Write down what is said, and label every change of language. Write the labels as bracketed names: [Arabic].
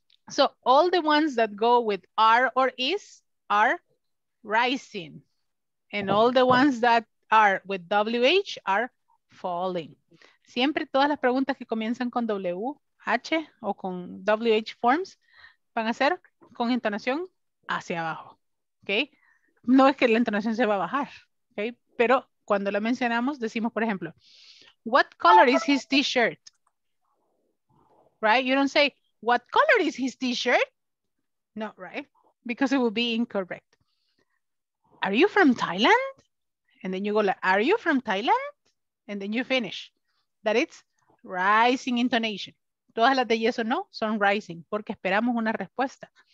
[English] So all the ones that go with are or is are rising. And all the ones that are with WH are falling. [Spanish] Siempre todas las preguntas que comienzan con WH o con WH forms van a ser con entonación hacia abajo, okay? No es que la entonación se va a bajar, okay? Pero cuando la mencionamos, decimos, por ejemplo, [English] what color is his t-shirt? Right? You don't say, what color is his t-shirt? No, right? Because it would be incorrect. Are you from Thailand? And then you go like, are you from Thailand? And then you finish. That it's rising intonation. [Spanish] Todas las de yes o no son rising, porque esperamos una respuesta.